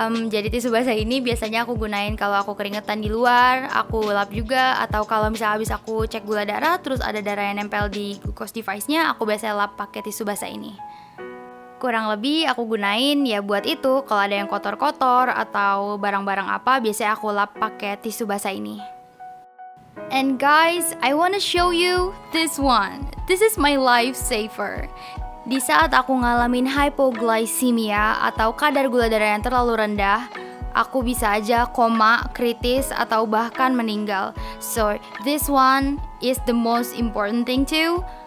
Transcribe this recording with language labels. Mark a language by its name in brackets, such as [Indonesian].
[Indonesian] Jadi tisu basah ini biasanya aku gunain kalau aku keringetan di luar, aku lap juga, atau kalau misalnya abis aku cek gula darah terus ada darah yang nempel di glucose device-nya, aku biasanya lap pakai tisu basah ini. Kurang lebih aku gunain ya buat itu, kalau ada yang kotor-kotor atau barang-barang apa, biasanya aku lap pakai tisu basah ini. [English] And guys, I wanna show you this one. This is my life saver. [Indonesian] Di saat aku ngalamin hypoglycemia atau kadar gula darah yang terlalu rendah, aku bisa aja koma, kritis, atau bahkan meninggal. [English] So, this one is the most important thing too.